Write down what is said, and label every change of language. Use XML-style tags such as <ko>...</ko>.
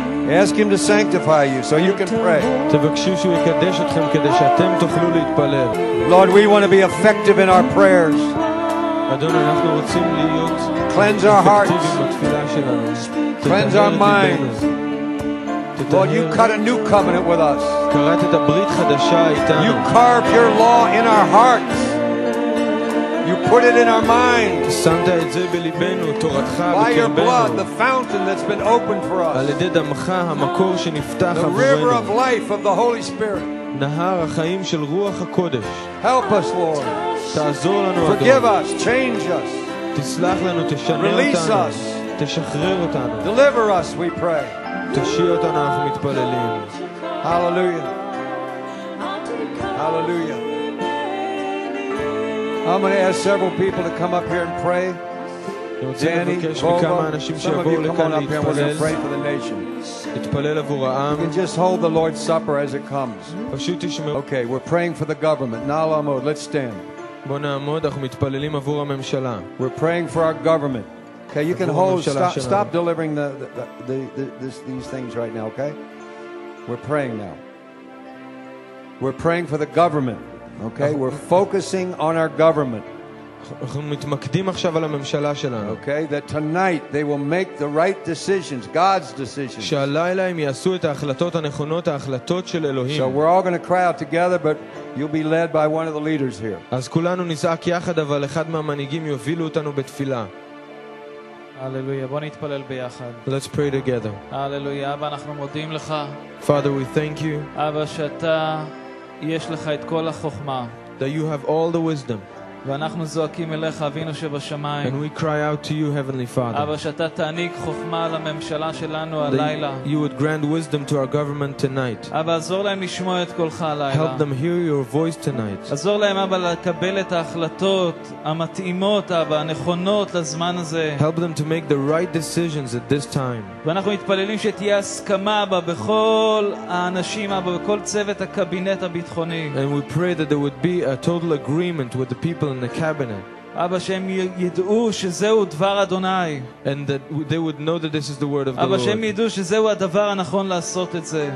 <en>Ask him to sanctify you so you can pray.</en> <he>תבקשו שהוא יקדש אתכם כדי שאתם תוכלו להתפלל.</he> <en>Lord, we want to be effective in our prayers.</en> <he>אדון, אנחנו רוצים להיות.</he> <en>Cleanse our hearts. Cleanse our minds. Lord, you cut a new covenant with us.</en> <he>קראת את הברית חדשה איתנו.</he> <en>You carved your law in our hearts. You put it in our minds.</en> <he>שמת את זה בליבנו, תורתך בקרבנו.</he> <en>By your blood, the fountain that's been opened for us.</en> <he>על ידי דמך, המקור שנפתח עבורנו.</he> <en>The river of life of the Holy Spirit.</en> <he>נהר החיים של רוח הקודש.</he> <en>Help us, Lord.</en> <he>תעזור לנו, אדון.</he> <en>Forgive us, change us.</en> <he>תסלח לנו, תשנה אותנו.</he> <en>Release us.</en> <he>תשחרר אותנו.</he> <en>Deliver us, we pray.</en> <he>תשיא אותנו, אנחנו מתפללים.</he> <en>Hallelujah. Hallelujah. I'm going to ask several people to come up here and pray. Danny, Volvo, some of you come on up here and we're going to pray for the nation. You can just hold the Lord's Supper as it comes. Okay, we're praying for the government.</en> <he>Na'al amod,</he> <en>let's stand. We're praying for our government. Okay, you can hold. Stop delivering these things right now, okay? We're praying now. We're praying for the government. Okay? We're focusing on our government.</en> <he>אנחנו מתמקדים עכשיו על הממשלה שלנו.</he> <en>Okay? That tonight they will make the right decisions, God's decisions.</en> <he>שהלילה הם יעשו את ההחלטות הנכונות, ההחלטות של אלוהים.</he> <en>So we're all going to cry out together, but you'll be led by one of the leaders here.</en> <he>אז כולנו נזעק יחד, אבל אחד מהמנהיגים יובילו אותנו בתפילה.</he> <en>Hallelujah.</en> <he>בוא נתפלל ביחד.</he> <en>Let's pray together. Hallelujah.</en> <he>אבא, אנחנו מודים לך.</he> <en>Father, we thank you.</en> <he>אבא, שאתה יש לך את כל החוכמה.</he> <en>That you have all the wisdom.</en> <he>ואנחנו זועקים אליך, אבינו שבשמיים.</he> <en>And we cry out to you, Heavenly Father.</en> <he>אבא, שאתה תעניק חוכמה לממשלה שלנו הלילה.</he> <en>That you would grant wisdom to our government tonight.</en> <he>אבא, עזור להם לשמוע את קולך הלילה.</he> <en>Help them hear your voice tonight.</en> <he>עזור להם, אבא, לקבל את ההחלטות המתאימות, אבא, הנכונות לזמן הזה.</he> <en>Help them to make the right decisions at this time.</en> <he>ואנחנו מתפללים שתהיה הסכמה, אבא, בכל האנשים, אבא, בכל צוות הקבינט הביטחוני.</he> <en>And we pray that there would be a total agreement with the people in the cabinet.</en> <he>אבא שהם ידעו שזהו דבר אדוני.</he> <en>And that they would know that this is the word of the</en> <he>אבא</he> <en>Lord.</en> <he>אבא שהם ידעו שזהו הדבר הנכון לעשות את זה.</he>